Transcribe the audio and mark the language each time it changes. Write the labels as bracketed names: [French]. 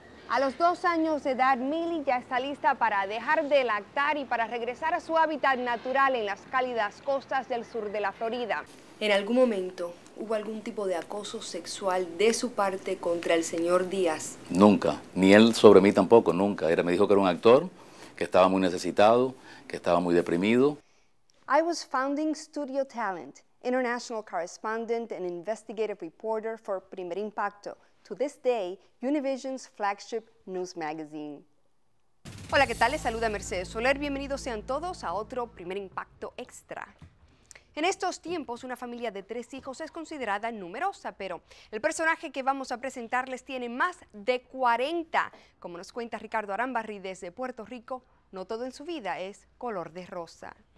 [Spanish] A los 2 años de edad, Millie ya está lista para dejar de lactar y para regresar a su hábitat natural en las cálidas costas del sur de la Florida. ¿En algún momento hubo algún tipo de acoso sexual de su parte contra el señor Díaz? Nunca, ni él sobre mí tampoco, nunca. Me dijo que era un actor, que estaba muy necesitado, que estaba muy deprimido. [English] I was founding studio talent, international correspondent and investigative reporter for Primer Impacto, to this day, Univision's flagship news magazine. [Spanish] Hola, ¿qué tal? Les saluda Mercedes Soler. Bienvenidos sean todos a otro Primer Impacto Extra. En estos tiempos, una familia de 3 hijos es considerada numerosa, pero el personaje que vamos a presentarles tiene más de 40. Como nos cuenta Ricardo Arambarri desde Puerto Rico, no todo en su vida es color de rosa.